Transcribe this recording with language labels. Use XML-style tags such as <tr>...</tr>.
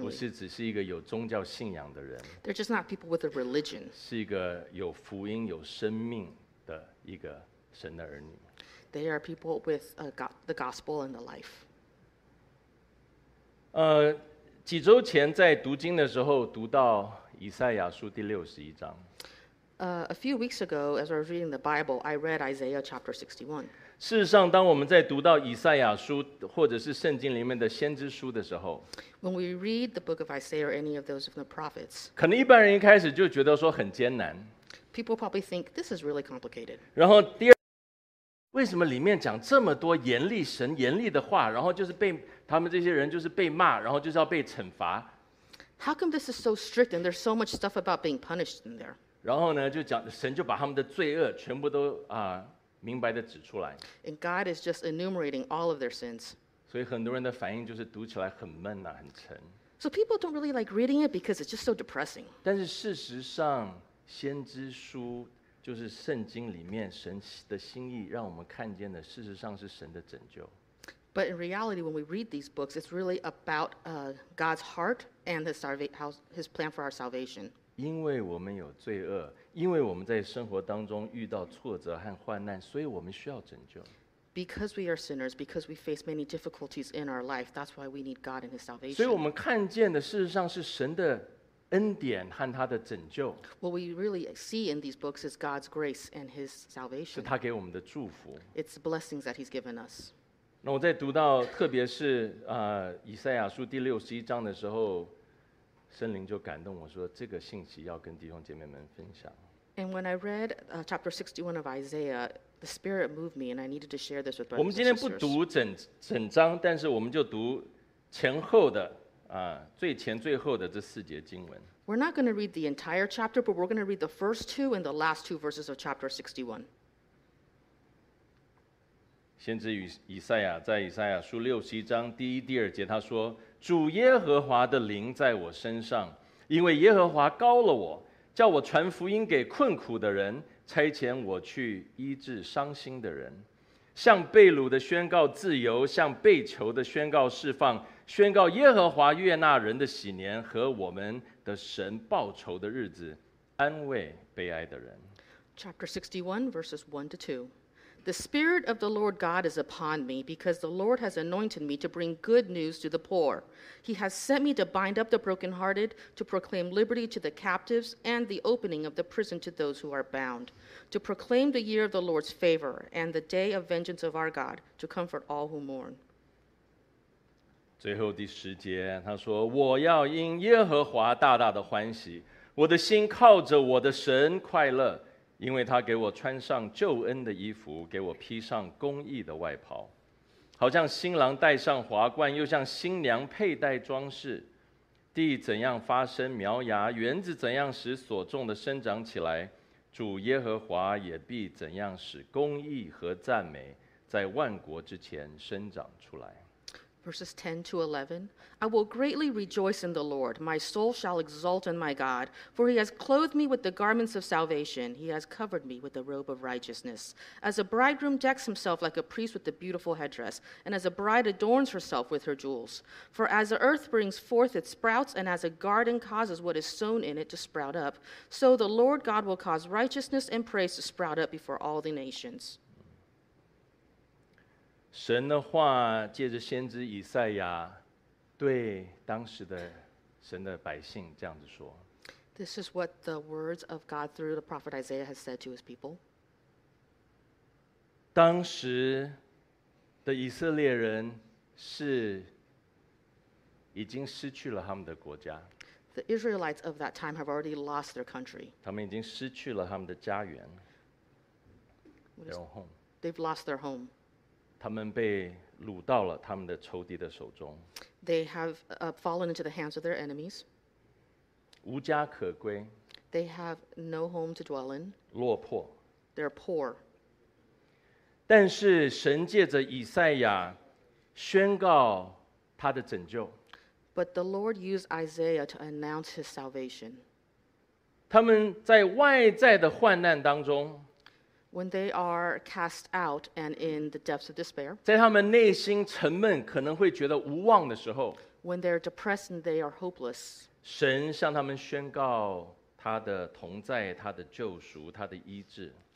<zh>不是只是一个有宗教信仰的人。</zh> <en>They're just not people with a religion.</en> <zh>是一个有福音、有生命的一个神的儿女。</zh> <en>They are people with the gospel and the life.</en> <zh>几周前在读经的时候，读到以赛亚书第61章。</zh> <en>A few weeks ago, as I was reading the Bible, I read Isaiah chapter 61.</en> <zh>事实上，当我们在读到以赛亚书或者是圣经里面的先知书的时候，</zh> <en>When we read the book of Isaiah or any of those of the prophets,</en> <zh>可能一般人一开始就觉得说很艰难。</zh> <en>People probably think this is really complicated.</en> <zh>然后第二，为什么里面讲这么多严厉神严厉的话，然后就是被他们这些人就是被骂，然后就是要被惩罚。</zh> <en>How come this is so strict and there's so much stuff about being punished in there?</en> <zh>然后呢，就讲神就把他们的罪恶全部都明白的指出来。</zh> <en>And God is just enumerating all of their sins.</en> <zh>所以很多人的反应就是读起来很闷呐、啊，很沉。</zh> <en>So people don't really like reading it because it's just so depressing.</en> <zh>但是事实上，先知书就是圣经里面神的心意，让我们看见的事实上是神的拯救。</zh> <en>But in reality, when we read these books, it's really about God's heart and His plan for our salvation.</en> <zh>因为我们有罪恶，因为我们在生活当中遇到挫折和患难，所以我们需要拯救。</zh> <en>Because we are sinners, because we face many difficulties in our life, that's why we need God and His salvation.</en> <zh>所以我们看见的事实上是神的恩典和他的拯救。</zh> <en>What we really see in these books is God's grace and His salvation.</en> <zh>是他给我们的祝福。</zh> <en>It's blessings that He's given us.</en> <zh>那我在读到，特别是以赛亚书第六十一章的时候，圣灵就感动我说，这个信息要跟弟兄姐妹们分享。</zh> <en>And when I read chapter 61 of Isaiah, the Spirit moved me, and I needed to share this with brothers.</en> <zh>我们今天不读整章，但是我们就读前后的。最前最后的这四节经文。</zh> <en>We're not going to read the entire chapter, but we're going to read the first two and the last two verses of chapter 61.</en> <zh>先知以赛亚在以赛亚书六十一章第一、第二节，他说：“主耶和华的灵在我身上，因为耶和华高了我，叫我传福音给困苦的人，差遣我去医治伤心的人，向被掳的宣告自由，向被囚的宣告释放。” 宣告耶和华悦纳人的喜年和我们的神报仇的日子，安慰悲哀的人。</zh> <en>Chapter 61 verses 1 to 2. The Spirit of the Lord God is upon me, because the Lord has anointed me to bring good news to the poor. He has sent me to bind up the brokenhearted, to proclaim liberty to the captives, and the opening of the prison to those who are bound, to proclaim the year of the Lord's favor, and the day of vengeance of our God, to comfort all who mourn.</en> <zh>最后第十节，他说：“我要因耶和华大大的欢喜，我的心靠着我的神快乐，因为他给我穿上救恩的衣服，给我披上公义的外袍，好像新郎戴上华冠，又像新娘佩戴装饰。地怎样发生苗芽，园子怎样使所种的生长起来，主耶和华也必怎样使公义和赞美在万国之前生长出来。”</zh> <en>Verses 10 to 11. I will greatly rejoice in the Lord. My soul shall exult in my God, for he has clothed me with the garments of salvation. He has covered me with the robe of righteousness. As a bridegroom decks himself like a priest with a beautiful headdress, and as a bride adorns herself with her jewels. For as the earth brings forth its sprouts, and as a garden causes what is sown in it to sprout up, so the Lord God will cause righteousness and praise to sprout up before all the nations.</en> <zh>神的话借着先知以赛亚对当时的神的百姓这样子说。</zh> <en>This is what the words of God through the prophet Isaiah has said to his people.</en> <zh>当时的以色列人是已经失去了他们的国家。</zh> <en>The Israelites of that time have already lost their country.</en> <zh>他们已经失去了他们的家园。</zh> <en>Their own home. They've lost their home.</en> <zh>他们被掳到了他们的仇敌的手中。</zh> <en>They have fallen into the hands of their enemies.</en> <zh>无家可归。</zh> <en>They have no home to dwell in.</en> <zh>落魄。</zh> <en>They're poor.</en> <zh>但是神借着以赛亚宣告他的拯救。</zh> <en>But the Lord used Isaiah to announce his salvation.</en> <zh>他们在外在的患难当中。</zh> <en>When they are cast out and in the depths of despair,</en> <zh>在他们内心沉闷，可能会觉得无望的时候，</zh> <en>when they're depressed and they are hopeless,</en> <zh>神向他们宣告他的同在，他的救赎，他的医治。</zh>